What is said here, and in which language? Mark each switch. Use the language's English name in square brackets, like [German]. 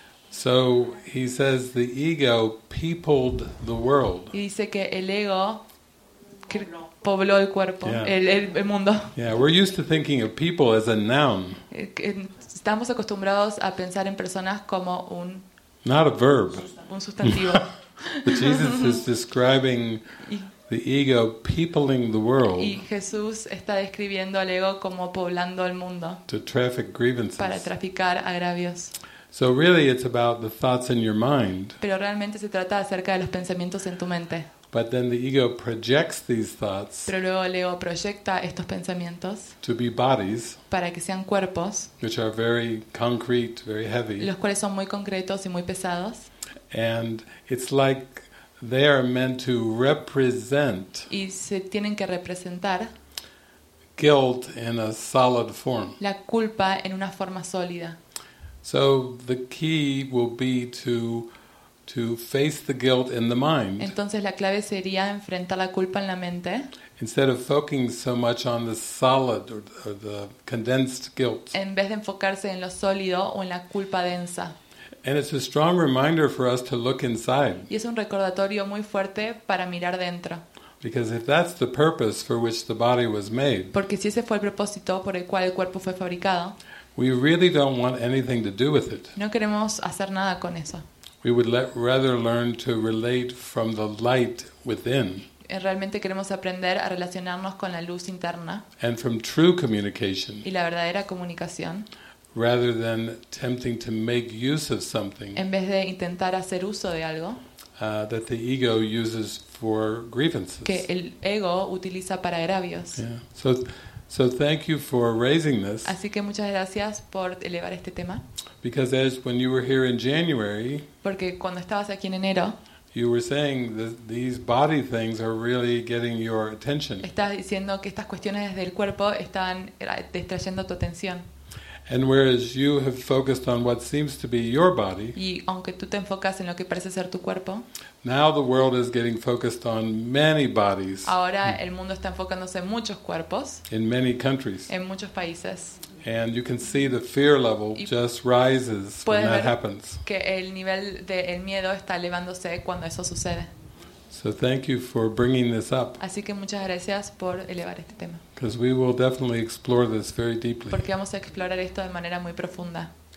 [English] So he says the ego peopled the world. [Spanish] Y dice que el ego pobló el cuerpo, el mundo. [English] Yeah, we're used to thinking of people as a noun. [Spanish] Estamos acostumbrados a pensar en personas como un [English] not a verb. [Spanish] Un sustantivo. [English] But Jesus is describing the ego peopling the world. [Spanish] Y Jesús está describiendo al ego como poblando el mundo. [English] To traffic grievances. [Spanish] Para traficar agravios. [English] So really it's about the thoughts in your mind. [Spanish] Pero realmente se trata acerca de los pensamientos en tu mente. [English] But then the ego projects these thoughts. [Spanish] Pero luego el ego proyecta estos pensamientos. [English] To be bodies. [Spanish] Para que sean cuerpos. [English] Which are very concrete, very heavy. [Spanish] Los cuales son muy concretos y muy pesados. [English] And it's like they are meant to represent. [Spanish] Y se tienen que representar. [English] Guilt in a solid form. [Spanish] La culpa en una forma sólida. [English] So the key will be to face the guilt in the mind. [Spanish] Entonces la clave sería enfrentar la culpa en la mente. [English] Instead of focusing so much on the solid or the condensed guilt. [Spanish] En vez de enfocarse en lo sólido o en la culpa densa. [English] And it's a strong reminder for us to look inside. [Spanish] Y es un recordatorio muy fuerte para mirar dentro. [English] Because if that's the purpose for which the body was made. [Spanish] Porque si ese fue el propósito por el cual el cuerpo fue fabricado. [English] We really don't want anything to do with it. [Spanish] No queremos hacer nada con eso. [English] We would rather learn to relate from the light within. [Spanish] Realmente queremos aprender a relacionarnos con la luz interna. [English] And from true communication. [Spanish] Y la verdadera comunicación. [English] Rather than attempting to make use of something. [Spanish] En vez de intentar hacer uso de algo. [English] That the ego uses for grievances. [Spanish] Que el ego utiliza para agravios. [English] Yeah. So thank you for raising this. [Spanish] Así que muchas gracias por elevar este tema. [English] Because as when you were here in January. [Spanish] Porque cuando estabas aquí en enero. [English] You were saying that these body things are really getting your attention. [Spanish] Estás diciendo que estas cuestiones del cuerpo están distrayendo tu atención. [English] And whereas you have focused on what seems to be your body. [Spanish] Y aunque tú te enfocas en lo que parece ser tu cuerpo. [English] Now the world is getting focused on many bodies. [Spanish] Ahora el mundo está enfocándose en muchos cuerpos. [English] In many countries. [Spanish] En muchos países. [English] And you can see the fear level just rises when that happens. [Spanish] Puedes ver que el nivel del miedo está elevándose cuando eso sucede. [English] So thank you for bringing this up. [Spanish] Así que muchas gracias por elevar este tema. [English] Because we will definitely explore this very deeply. [Spanish] Porque vamos a explorar esto de manera muy profunda.